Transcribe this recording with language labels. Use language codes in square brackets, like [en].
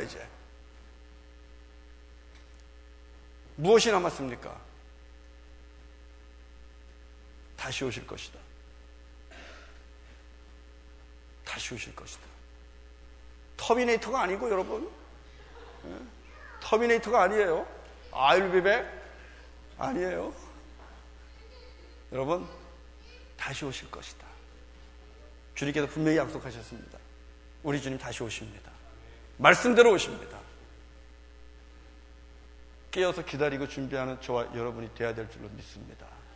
[ko] 이제 무엇이 남았습니까? 다시 오실 것이다. 다시 오실 것이다. 터미네이터가 아니고 여러분, 터미네이터가 아니에요. [en] I'll be back [ko] 아니에요. 여러분, 다시 오실 것이다. 주님께서 분명히 약속하셨습니다. 우리 주님 다시 오십니다. 말씀대로 오십니다. 깨어서 기다리고 준비하는 저와 여러분이 되어야 될 줄로 믿습니다.